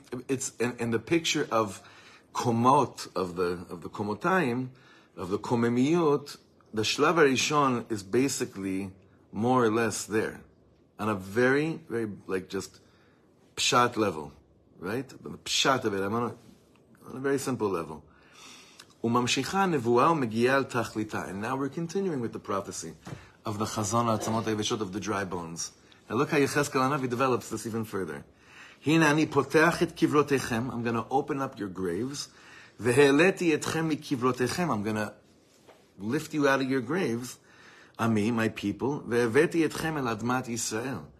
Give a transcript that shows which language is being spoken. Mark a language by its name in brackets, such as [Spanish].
[English] It's in the picture of Komot, of the Komotayim, of the Komemiyot, the Shlav HaRishon is basically more or less there. On a very, very, like, just pshat level. Right? The pshat of it, I'm on a very simple level. [Hebrew] וממשיכה הנבואה ומגיעה אל תכליתה. [English] And now we're continuing with the prophecy of the chazon [Hebrew] העצמות היבשות [English] of the dry bones. Now look how יחזקאל הנביא develops this even further. [Hebrew] הנה אני פותח את קברותיכם, [English] I'm going to open up your graves, [Hebrew] והעליתי אתכם מקברותיכם, [English] I'm going to lift you out of your graves, [Hebrew] עמי, [English] my people, [Hebrew] והבאתי אתכם אל אדמת ישראל.